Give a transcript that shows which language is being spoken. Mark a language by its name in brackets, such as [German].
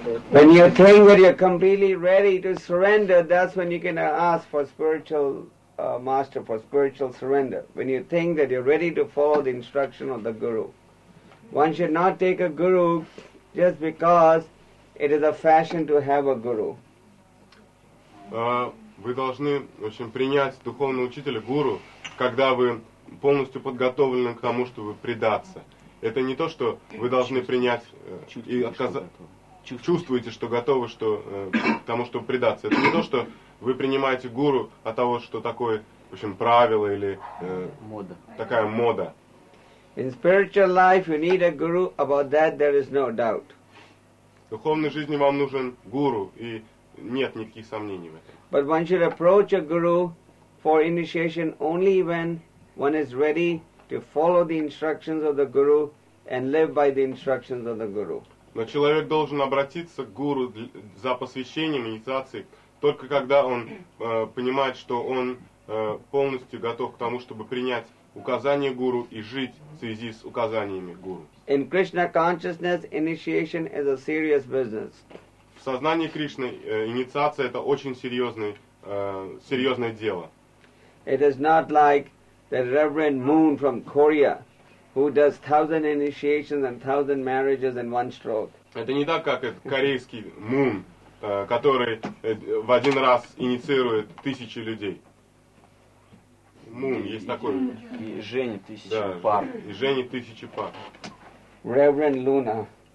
[English] When you think that you're completely ready to surrender, that's when you can ask for spiritual master, for spiritual surrender. When you think that you're ready to follow the instruction of the guru. One should not take a guru just because it is a fashion to have a guru. [Russian] Вы должны, в общем, принять духовного учителя, гуру, когда вы полностью подготовлены к тому, чтобы предаться. Это не то, что вы должны принять и отказаться. Чувствуете, что готовы к тому, чтобы предаться. Это не то, что вы принимаете гуру от того, что такое, в общем, правило или мода. Такая мода. [English] In spiritual life you need a guru, about that there is no doubt. [Russian] В духовной жизни вам нужен гуру, и нет никаких сомнений в этом. [English] But one should approach a guru for initiation only when one is ready to follow the instructions of the guru and live by the instructions of the guru. [Russian] Но человек должен обратиться к гуру за посвящением, инициацией, только когда он понимает, что он полностью готов к тому, чтобы принять указания гуру и жить в связи с указаниями гуру. [English] In Krishna consciousness, initiation is a serious business. [Russian] В сознании Кришны инициация это очень серьезное дело. [English] It is not like the Reverend Moon from Korea, who does 1,000 initiations and 1,000 marriages in one stroke. [Russian] Это не так, как этот корейский Мун, который в один раз инициирует тысячи людей. Мун, есть такой. И женит тысячи пар. И женит тысячи пар. [English] Reverend Luna.